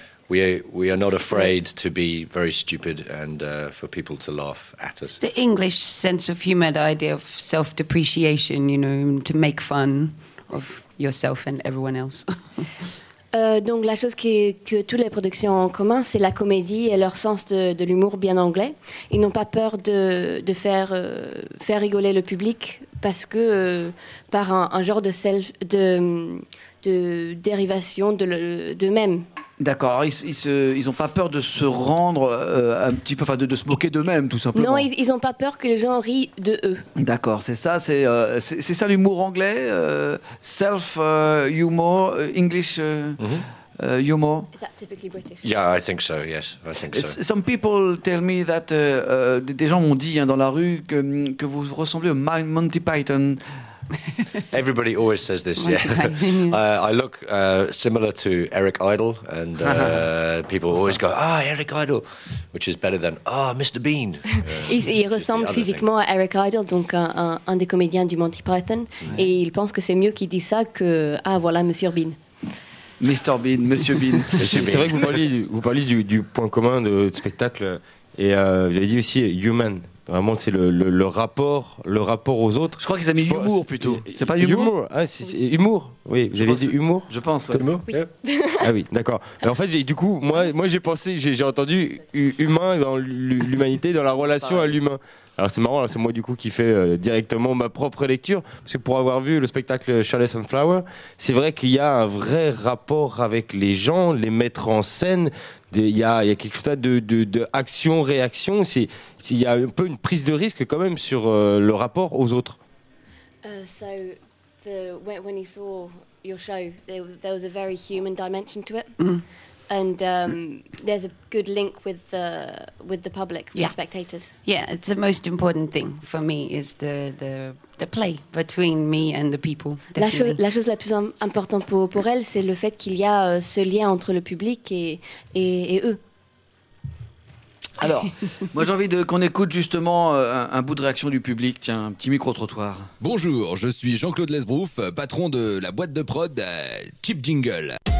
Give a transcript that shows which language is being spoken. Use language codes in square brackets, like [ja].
[en] We are not afraid to be very stupid and for people to laugh at us. The English sense of humor, the idea of self-depreciation, you know, to make fun of yourself and everyone else. [fr] Donc la chose que toutes les productions ont en commun, c'est la comédie et leur sens de l'humour bien anglais. Ils n'ont pas peur de faire rigoler le public parce que par un genre de self de dérivation d'eux-mêmes. D'accord, alors ils n'ont pas peur de se rendre un petit peu, enfin de se moquer d'eux-mêmes tout simplement. Non, ils n'ont pas peur que les gens rient de eux. D'accord, c'est ça, c'est ça l'humour anglais, [en] self-humour, English humour. Is that typically British? Yeah, I think so, yes, I think so. Some people tell me that, [fr] des gens m'ont dit hein, dans la rue que vous ressemblez à Monty Python. [en] Everybody always says this. Yeah. I look similar to Eric Idle, and people always go, "Ah, Eric Idle," which is better than "Ah, oh, Mr. Bean." [fr] Il ressemble physiquement à Eric Idle, donc un des comédiens du Monty Python, et il pense que c'est mieux qu'il dise ça que "Ah, voilà, Monsieur Bean." Mr. Bean, Monsieur Bean. C'est vrai que vous parliez du point commun de spectacle, et vous avez dit aussi human. Vraiment, c'est le rapport aux autres. Je crois qu'ils ont mis humour plutôt. C'est pas humour. Humour. Ah, c'est humour. Oui, vous avez dit humour. Je pense. Ouais. Humour. Oui. Ah oui, d'accord. Mais en fait, du coup, moi, j'ai entendu humain dans l'humanité, dans la relation à l'humain. Alors c'est marrant, c'est moi du coup qui fais directement ma propre lecture, parce que pour avoir vu le spectacle Charlotte and Flower, c'est vrai qu'il y a un vrai rapport avec les gens, les mettre en scène, il y a quelque chose de action-réaction, il y a un peu une prise de risque quand même sur le rapport aux autres. [en] When he saw your show, there was a very human dimension to it. Mm. And there's a good link with the public, with the spectators. Yeah, it's the most important thing for me is the play between me and the people. [fr] La chose la plus importante pour elle, c'est le fait qu'il y a ce lien entre le public et eux. Alors, moi j'ai envie qu'on écoute justement un bout de réaction du public. Tiens, un petit micro-trottoir. Bonjour, je suis Jean-Claude Lesbrouf, patron de la boîte de prod Cheap Jingle.